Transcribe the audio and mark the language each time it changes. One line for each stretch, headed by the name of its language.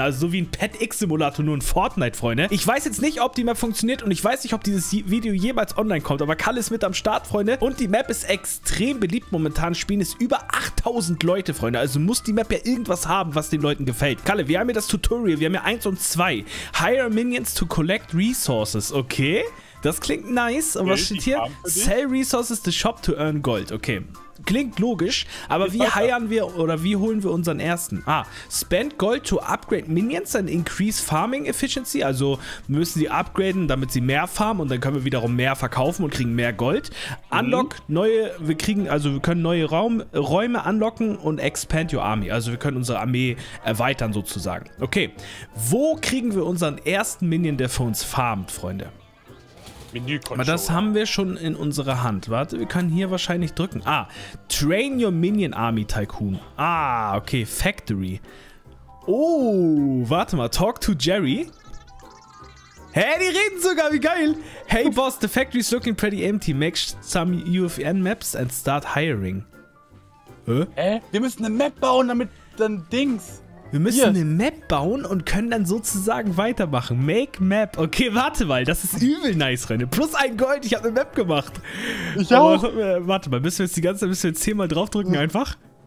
German: Also so wie ein Pet-X-Simulator, nur in Fortnite, Freunde. Ich weiß jetzt nicht, ob die Map funktioniert und ich weiß nicht, ob dieses Video jemals online kommt. Aber Kalle ist mit am Start, Freunde. Und die Map ist extrem beliebt momentan. Spielen es über 8000 Leute, Freunde. Also muss die Map ja irgendwas haben, was den Leuten gefällt. Kalle, wir haben hier das Tutorial. Wir haben hier 1 und 2.
English: Hire Minions to collect resources.
German: Okay. Das klingt nice. Und was steht hier?
English: Sell resources to shop to earn gold.
German: Okay. Klingt logisch. Aber wie heiern wir oder wie holen wir unseren ersten?
English: Ah, spend gold to upgrade minions and increase farming efficiency.
German: Also müssen sie upgraden, damit sie mehr farmen. Und dann können wir wiederum mehr verkaufen und kriegen mehr Gold. Unlock neue, wir kriegen, also wir können neue Räume unlocken und
English: expand your army.
German: Also wir können unsere Armee erweitern sozusagen. Okay. Wo kriegen wir unseren ersten Minion, der für uns farmt, Freunde? Aber das haben wir schon in unserer Hand. Warte, wir können hier wahrscheinlich drücken.
English: Ah, Train Your Minion Army Tycoon. Ah, okay, Factory.
German: Oh, warte mal,
English: Talk to Jerry.
German: Hä, die reden sogar, wie geil.
English: Hey Boss, the factory is looking pretty empty. Make some UFN maps and start hiring. Hä?
German: Wir müssen eine Map bauen, damit dann Dings... Wir müssen eine Map bauen und können dann sozusagen weitermachen. Make Map. Okay, warte mal. Das ist übel nice, Renne. Plus ein Gold. Ich habe eine Map gemacht. Ich auch. Aber, warte mal. Müssen wir jetzt die ganze Zeit, müssen wir jetzt 10 Mal draufdrücken einfach?